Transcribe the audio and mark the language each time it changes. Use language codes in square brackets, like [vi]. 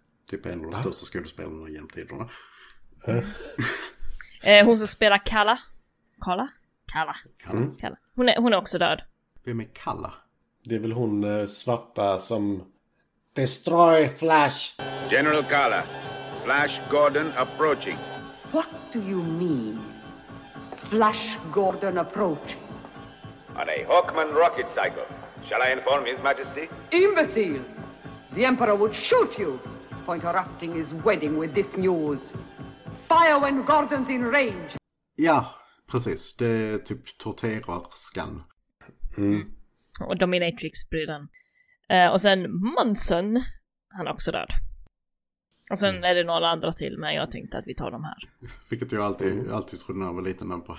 [sv] Typ en av de största skådespelarna genom tiderna. Hon som spelar Kalla. Kalla? Kalla. Kalla. Mm. Kalla. Hon är också död. Vem är Kalla? Det är väl hon svarta som Destroy Flash. General Kalla. [en] Flash Gordon approaching. What do you mean? Flash Gordon approach. On a Hawkman rocket cycle. Shall I inform His Majesty? Imbecile! The Emperor would shoot you for interrupting his wedding with this news. Fire when Gordon's in range. [sv] Ja, precis. Det är typ torterarskan. Mm. Och Dominatrix-brydan. Och sen Munson, han är också död. Och sen är det några andra till, men jag tänkte att vi tar de här. Vilket jag alltid trodde när jag var liten namn på.